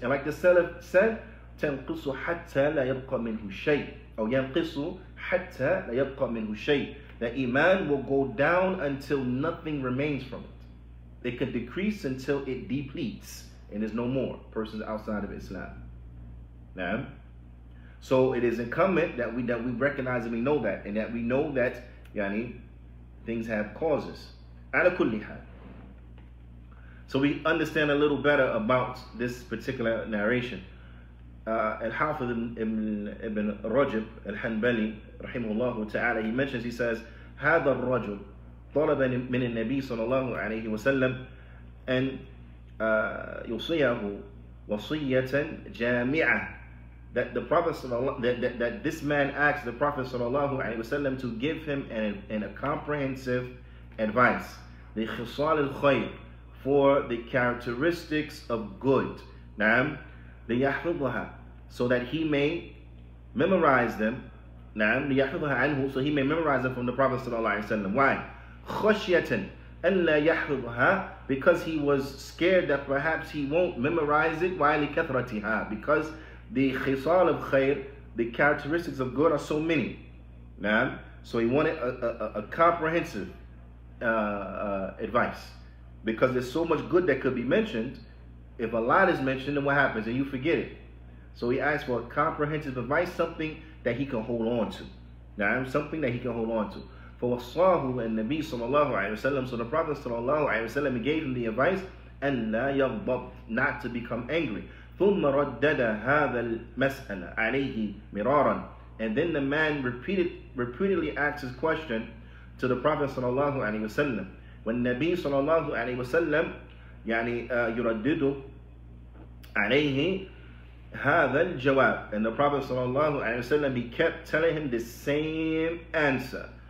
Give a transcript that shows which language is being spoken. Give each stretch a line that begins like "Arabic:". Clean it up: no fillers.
English: And like the Salaf said,
Arabic: تَنْقِصُ حَتَّى لَا يَبْقَى مِنْهُ شَيْءٍ أَوْ يَنْقِصُ حَتَّى لَا يَبْقَى مِنْهُ شَيْءٍ.
English: That iman will go down until nothing remains from it. It could decrease until it depletes and is no more. Persons outside of Islam. Now, so it is incumbent that we recognize and we know that, and that we know that, yani, things have causes.
Arabic: Ala kulli hal.
English: So we understand a little better about this particular narration. Al-Hafidh ibn Rajab al-Hanbali rahimahullah ta'ala, he mentions, he says,
Arabic: هذا الرجل طلب من النبي صلى الله عليه وسلم أن يوصيه وصية جامعة.
English: That the Prophet that this man asked the Prophet صلى الله عليه وسلم to give him a comprehensive advice, the
Arabic: خصال الخير,
English: for the characteristics of good.
Arabic: نعم. ليحفظها,
English: so that he may memorize them.
Arabic: نعم. ليحفظها عنه,
English: so he may memorize them from the Prophet صلى الله عليه وسلم. Why?
Arabic: خشية أن لا يحفظها,
English: because he was scared that perhaps he won't memorize it. Why?
Arabic: لكثرتها,
English: because the خصال of خير, the characteristics of good, are so many.
Arabic: نعم.
English: So he wanted a comprehensive advice, because there's so much good that could be mentioned. If a lot is mentioned, then what happens? And you forget it. So he asked for a comprehensive advice, something that he can hold on to. Now, something that he can hold on to. For wasahu and Nabi sallallahu alayhi wa sallam, so the Prophet sallallahu alayhi wa sallam gave him the advice, and
Arabic: la yaghdab,
English: not to become angry.
Arabic: ثم ردد هذا المسألة عليه مرارا.
English: And then the man repeatedly asked his question to the Prophet sallallahu alayhi wa sallam. When Nabi sallallahu alayhi wa sallam,
Arabic: يعني يردد عليه هذا الجواب,
English: and the Prophet صلى الله عليه وسلم, he kept telling him the same answer.